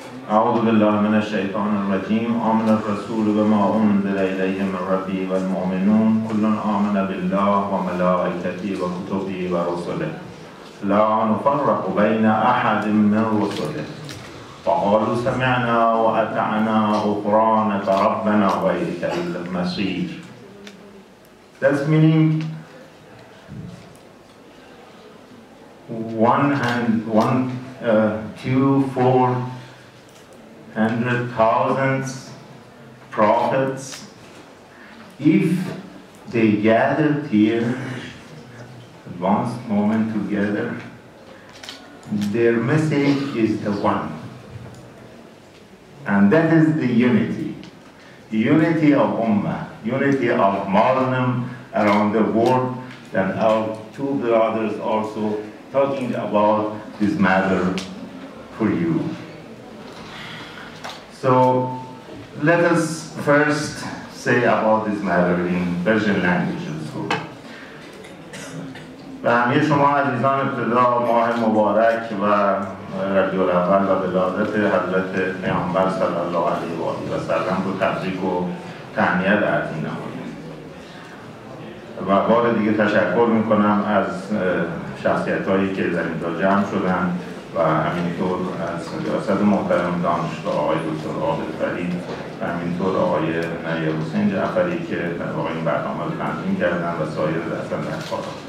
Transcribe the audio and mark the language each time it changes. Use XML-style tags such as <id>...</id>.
<ar>أعوذ بالله من الشيطان الرجيم آمن الرسول بما أنزل إليه من ربي والمؤمنون كل آمن بالله وملائكته وكتبه ورسله لا نفرق بين أحد من رسله فقالوا سمعنا وأطعنا غفرانك ربنا وإليك المصير.</ar> <en>That's meaning one, two, four 100,000 prophets, if they gathered here once moment together, their message is the one. And that is the unity of Ummah, unity of Muslim around the world, and our two brothers also talking about this matter for you. So let us first say about this matter in Persian language and so on.</en> <fa>و همه شما عزیزان ابتدا ماه مبارک و ربیع الاول و ولادت حضرت پیامبر صلی الله علیه و آله و سلم رو تبریک و تهنیت عرض می‌نماییم. و بار دیگه تشکر می‌کنم از شخصیت‌هایی که در اینجا جمع شدند و همینطور از ریاست محترم دانشگاه آقای دکتر عابد فرید و همینطور آقای نیر حسین جعفری که در واقع این برنامه رو تنظیم کردن و سایر اصلا در کار</fa>